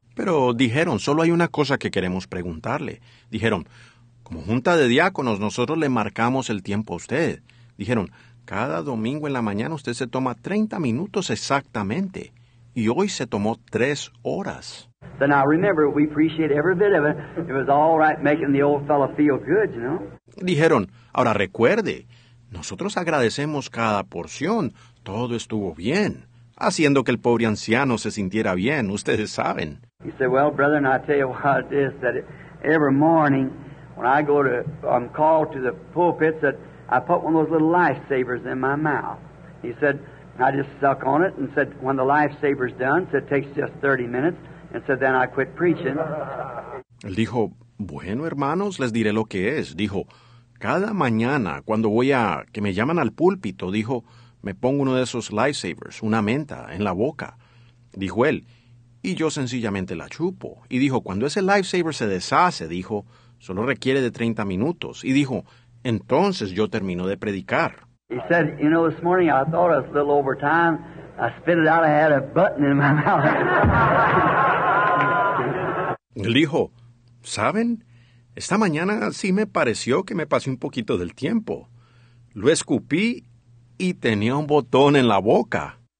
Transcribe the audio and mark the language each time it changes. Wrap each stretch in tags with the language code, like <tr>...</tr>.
<es>Pero dijeron, solo hay una cosa que queremos preguntarle. Dijeron, como junta de diáconos, nosotros le marcamos el tiempo a usted. Dijeron, cada domingo en la mañana usted se toma 30 minutos exactamente, y hoy se tomó 3 horas.</es> <en>So now remember, we appreciate every bit of it. It was all right making the old fellow feel good, you know.</en> <es>Dijeron, ahora recuerde, nosotros agradecemos cada porción. Todo estuvo bien, haciendo que el pobre anciano se sintiera bien, ustedes saben.</es> <en>He said, well, brother, and I tell you what it is, that every morning when I go to, I'm called to the pulpit, that I put one of those little lifesavers in my mouth. He said, I just suck on it and said, when the lifesaver's done, said, it takes just 30 minutes, and said, then I quit preaching.</en> <es>Él dijo, bueno, hermanos, les diré lo que es. Dijo, cada mañana cuando voy a, que me llaman al púlpito, dijo, me pongo uno de esos lifesavers, una menta, en la boca. Dijo él, y yo sencillamente la chupo. Y dijo, cuando ese lifesaver se deshace, dijo, solo requiere de 30 minutos. Y dijo, entonces yo termino de predicar.</es> <en>He said, you know, this morning I thought I was a little over time. I spit it out, I had a button in my mouth.</en> <es>Él dijo, ¿saben? Esta mañana sí me pareció que me pasé un poquito del tiempo. Lo escupí y tenía un botón en la boca.</es>